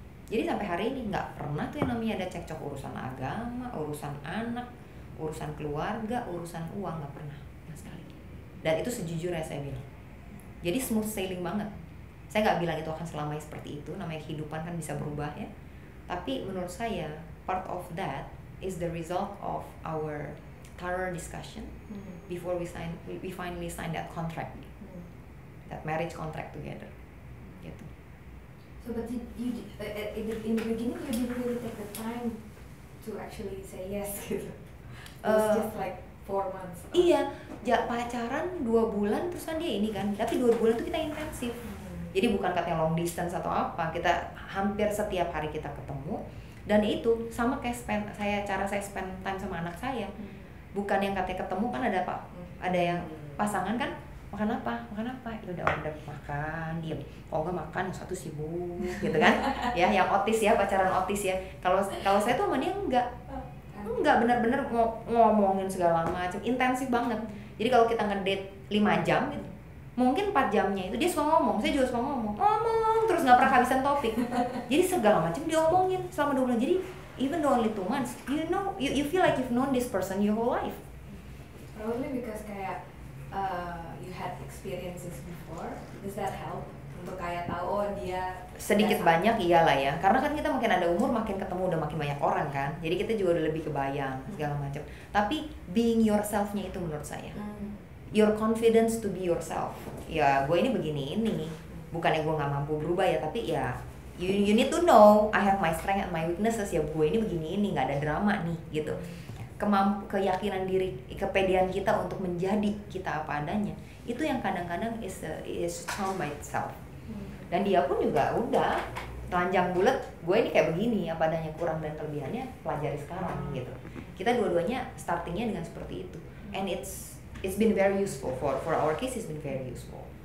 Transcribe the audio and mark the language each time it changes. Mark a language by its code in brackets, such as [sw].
[id] Jadi sampai hari ini gak pernah tuh yang namanya ada cekcok urusan agama, urusan anak, urusan keluarga, urusan uang, gak pernah. Gak sekali. Dan itu sejujurnya saya bilang. Jadi [en] smooth sailing [id] banget. Saya gak bilang itu akan selamanya seperti itu, namanya kehidupan kan bisa berubah ya. Tapi menurut saya, [en] part of that is the result of our thorough discussion before we finally sign that contract. That marriage contract together. Gitu. So, but in the beginning you didn't really take the time to actually say yes gitu. It was just like 4 months. [id] Iya, ya, pacaran 2 bulan terus kan dia ini kan. Tapi 2 bulan itu kita intensif. Jadi bukan katanya long distance atau apa. Kita hampir setiap hari kita ketemu. Dan itu sama kayak cara saya spend time sama anak saya. Bukan yang katanya ketemu kan ada apa? Ada yang pasangan kan makan apa? Ya udah order makan, diam. Kalau enggak makan satu sibuk gitu kan. Ya yang otis ya, pacaran otis ya. Kalau saya tuh sama dia enggak benar-benar ngomongin segala macam, intensif banget. Jadi kalau kita ngedate 5 jam gitu, mungkin 4 jamnya itu dia suka ngomong, saya juga suka ngomong. terus, gak pernah kehabisan topik. Jadi segala macam diomongin selama 2 bulan. [en] Jadi even though only 2 months, you know, you feel like you've known this person your whole life. Probably because kayak you had experiences before, does that help? [id] Untuk kayak tahu oh dia sedikit banyak sama. Iyalah ya, karena kan kita makin ada umur makin ketemu udah makin banyak orang kan, jadi kita juga udah lebih kebayang segala macam. Tapi being yourselfnya itu menurut saya [en] your confidence to be yourself, [id] ya gue ini begini ini, bukannya gue nggak mampu berubah ya, tapi ya [en] you need to know I have my strength and my weaknesses, [id] ya gue ini begini ini, nggak ada drama nih gitu. Keyakinan diri, kepedean kita untuk menjadi kita apa adanya, itu yang kadang-kadang [en] is strong by itself. [id] Dan dia pun juga udah telanjang bulat, gue ini kayak begini, apa adanya, kurang dan kelebihannya pelajari sekarang gitu. Kita dua-duanya startingnya dengan seperti itu, [en] and it's been very useful for our case, it's been very useful.